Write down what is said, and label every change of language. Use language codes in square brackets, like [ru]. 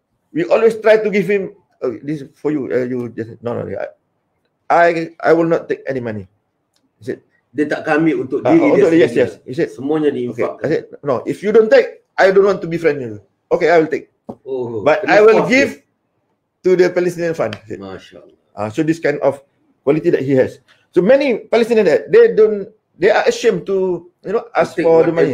[en] We always try to give him, this for you, you just, no, I will not take any money. He said, [ms] dia tak ambil untuk diri dia sendiri. [en] Yes. He said, [ms] semuanya diinfak. [en] Okay. I said, no, if you don't take, I don't want to be friend you. Okay, I will take. Oh, but I will give to the Palestinian fund. [ar] Masya Allah. [en] So this kind of quality that he has. So many Palestinians, they are ashamed to, you know, ask for the money.